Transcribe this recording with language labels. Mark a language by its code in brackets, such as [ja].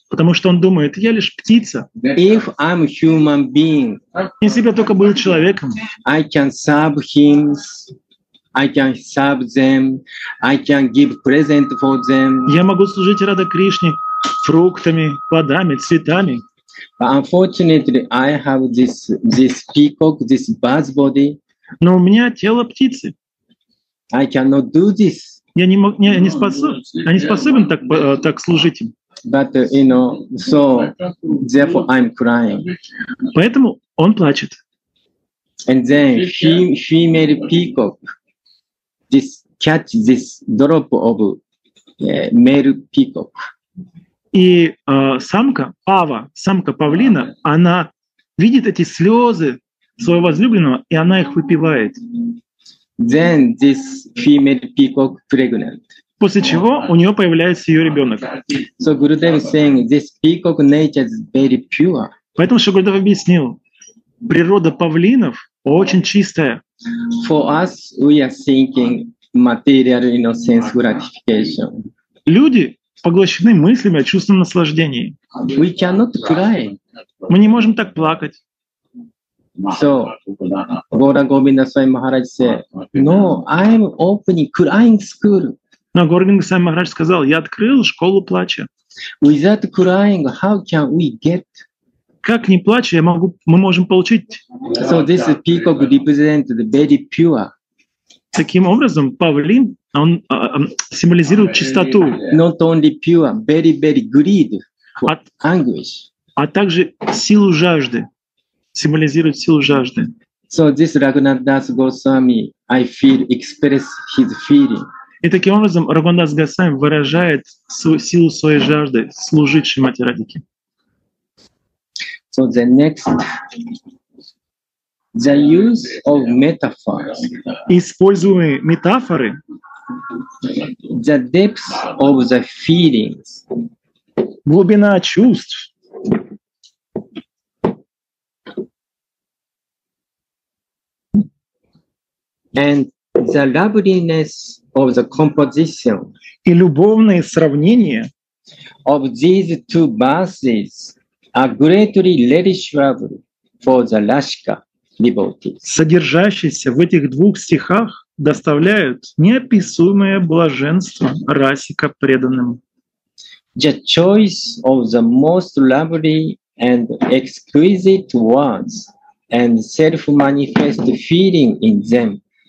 [ru] Потому что он думает, я лишь птица. [en] If I'm human being, [ru] если бы я только был человеком, [en] I can serve him, I can serve them, I can give present for them. [ru] Я могу служить Радха Кришне фруктами, плодами, цветами. [en] But unfortunately, I have this peacock, this bird body. [ru] Но у меня тело птицы. [en] I cannot do this. [ru] Я не способен так служить им. [en] But you know, so therefore I'm crying. [ru] Поэтому он плачет. [en] And then he made peacock. This catch this drop of male peacock. [ru] И самка пава, самка павлина, она видит эти слезы своего возлюбленного, и она их выпивает. [en] Then this female peacock pregnant. [ru] После чего у нее появляется ее ребенок. [en] So Gurudev saying this peacock nature is very pure. [ru] Поэтому что Гурудев объяснил, природа павлинов очень чистая. [en] For us, we are thinking material, you know, sense gratification. [ru] Люди поглощены мыслями о чувственном наслаждении. [en] We cannot cry. [ru] Мы не можем так плакать. [en] So, Gaura Govinda Swami Maharaj said, "No, I'm opening crying school." [ru] Но Гаура Говинда Свами Махарадж сказал, "Я открыл школу плача." [en] Without crying, how can we get? [ru] Как не плача, мы можем получить? [en] So this peacock represents the very pure. [ru] Таким образом, павлин он символизирует чистоту. [en] Not only pure, very very greed, anguish. [ru] А также силу жажды. Символизирует силу жажды. [en] So this Raghunath Das Goswami, I feel, express his feeling. [ru] И таким образом Рагунатас Госвами выражает силу своей жажды служить Шримати Радике. [en] So the next, the use of metaphors. [ru] Используя метафоры. [en] The depths of the feelings. [ru] Глубина чувств. [en] And the loveliness of the composition. [ru] И любовные сравнения. [en] Of these two verses are greatly relishable for the Lashka devotees. [ru] Содержащиеся в этих двух стихах доставляют неописуемое блаженство Расика преданным. [en] The choice of the most lovely and exquisite words and self-manifest feeling in them.